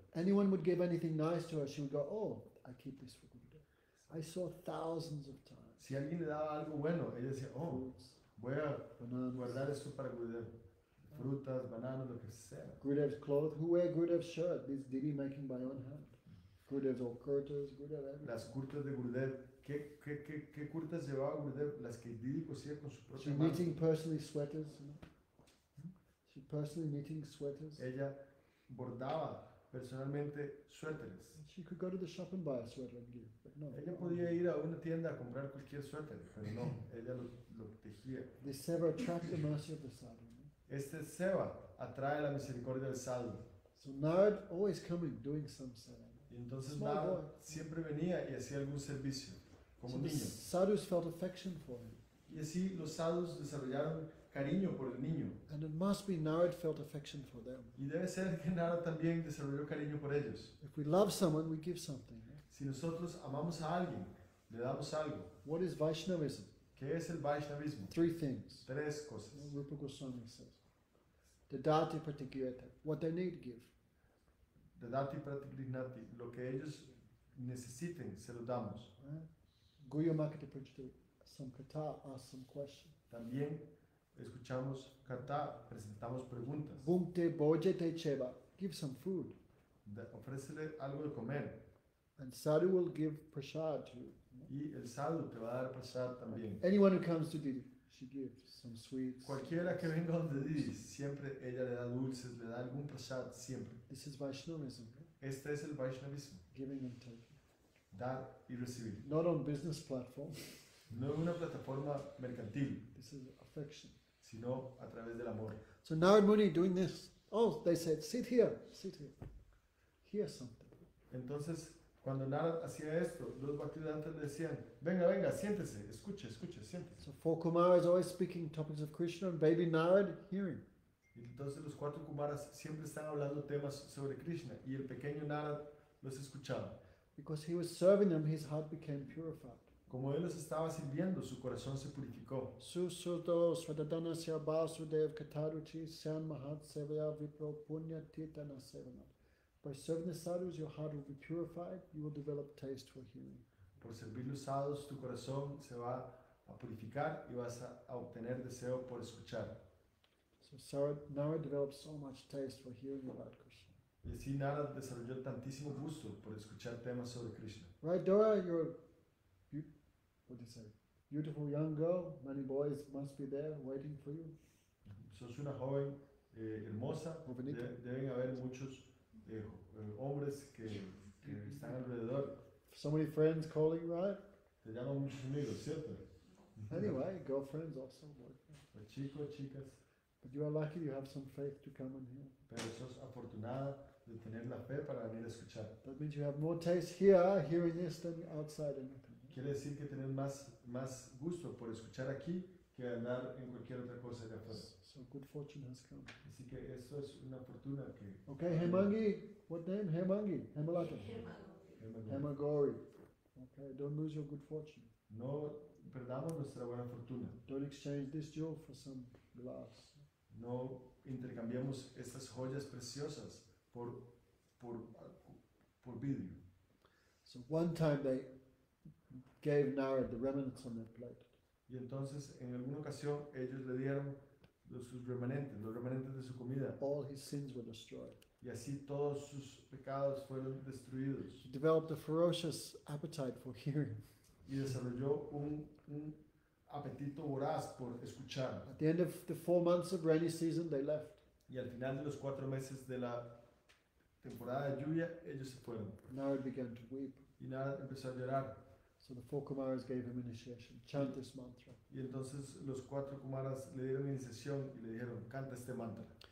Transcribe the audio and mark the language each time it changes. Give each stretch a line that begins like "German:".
English: Anyone would give anything nice to her, she would go, oh, I keep this for good. I saw thousands of times.
Spanish: Si alguien le daba algo bueno, ella decía, oh, fruits, voy a bananas, guardar esto para Gurudev. Frutas, bananas, lo que sea.
English: Gurudev's clothes, who wear Gurudev's shirt? This Didi making by own hand. Gurudev's old kurtas, Gurudev everything.
Spanish: Las kurtas de Gurudev. ¿Qué kurtas llevaba Gurudev? Las que Didi cosía con su propia
English: mano. She's knitting personally sweaters. No? She's personally knitting sweaters.
Spanish: Ella bordaba personalmente suéteres.
English: She could go to the shop and buy a sweater and give, but no.
Spanish: Ella podía ir a una tienda a comprar cualquier suéter, pero no, ella lo tejía.
English: This Seva attracts the mercy of the sadhu.
Spanish: Este Seva atrae la misericordia del sadhu.
English: So Narad always coming, doing some service.
Spanish: Y entonces Narad siempre venía y hacía algún servicio, como niño.
English: So the sadhus felt affection for him.
Spanish: Y así los sadhus desarrollaron cariño por el niño.
English: And it must be Narad felt affection for them.
Spanish: Y debe ser que Narad también desarrolló cariño por ellos.
English: If we love someone, we give something.
Spanish: Si nosotros amamos a alguien, le damos algo.
English: What is Vaishnavism?
Spanish: ¿Qué es el Vaishnavismo?
English: Three things.
Spanish: Tres cosas.
English: Rupa Goswami says.
Sanskrit: Dadati pratigrihati.
English: What they need, give.
Sanskrit: Dadati pratigrihati.
Spanish: Lo que ellos necesiten, se lo damos.
Sanskrit: Guyamakati prajati.
English: Some kata, ask some questions.
Spanish: También escuchamos kata, presentamos preguntas.
Sanskrit: Bhunte bhojate cheva,
English: give some food.
Spanish: Ofrécele algo de comer.
English: And sadhu will give prasad to you.
Spanish: Y el sadhu te va a dar prasad también.
English: Anyone who comes to Didi, she gives some sweets.
Spanish: Cualquiera que venga donde Didi, siempre ella le da dulces, le da algún prasad, siempre.
English: This is Vaishnavism.
Spanish: Este es el Vaishnavismo.
English: Giving and taking.
Spanish: Dar y recibir.
English: Not on business platform.
Spanish: No en una plataforma mercantil.
English: This is affection.
Spanish: Sino a través del amor.
English: So Narad Muni doing this. Oh, they said, sit here, sit here. Hear something.
Spanish: Entonces, cuando Narad hacía esto, los bhaktivedantas decían, venga, venga, siéntese, escuche, escuche, siéntese.
English: So four kumaras always speaking topics of Krishna and baby Narad hearing.
Spanish: Y entonces los cuatro kumaras siempre están hablando temas sobre Krishna y el pequeño Narad los escuchaba.
English: Because he was serving them, his heart became purified.
Spanish: Como él los estaba sirviendo, su corazón se purificó.
Sanskrit: Susuto svadadana syabasudev kataruchi san mahat sevaya vipro punya titana sevana.
English: By serving the sadhus, your heart will be purified. You will develop taste for hearing.
Spanish: Por servir los sadhus, tu corazón se va a purificar y vas a obtener deseo por escuchar.
English: So Narad developed so much taste for hearing about Krishna.
Spanish: Y así Narad desarrolló tantísimo gusto por escuchar temas sobre Krishna.
English: Right, Dora, you're what do you say? Beautiful young girl, many boys must be there waiting for you.
Spanish: Sos una joven hermosa. Deben haber muchos hombres que están alrededor.
English: So many friends calling, right?
Spanish: Te llaman muchos amigos, ¿cierto?
English: Anyway, girlfriends also.
Spanish: Chicos, chicas.
English: But you are lucky you have some faith to come and hear.
Spanish: Pero sos afortunada de tener la fe para venir a escuchar.
English: That means you have more taste here, hearing this, than outside anything.
Spanish: Quiere decir que tener más gusto por escuchar aquí que andar en cualquier otra cosa de afuera.
English: So good fortune has come.
Spanish: Así que eso es una fortuna que.
English: Okay, Hemangi, what name? Hemangi, Hemalata. Hemagori. Okay, don't lose your good fortune.
Spanish: No perdamos nuestra buena fortuna.
English: Don't exchange this jewel for some glass.
Spanish: No intercambiemos estas joyas preciosas por vidrio.
English: So one time they gave Narad the remnants on their plate.
Spanish: Y entonces, en alguna ocasión, ellos le dieron los remanentes de su comida.
English: All his sins were destroyed.
Spanish: Y así todos sus pecados fueron destruidos.
English: He developed a ferocious appetite for hearing.
Spanish: Y desarrolló un apetito voraz por escuchar.
English: At the end of the 4 months of rainy season, they left.
Spanish: Y al final de los 4 meses de la temporada de lluvia, ellos se fueron.
English: Narad began to weep.
Spanish: Y Narad empezó a llorar.
English: So the four kumaras gave him initiation. Chant this mantra.
Spanish: Y entonces los cuatro kumaras le dieron iniciación y le dijeron, canta este mantra.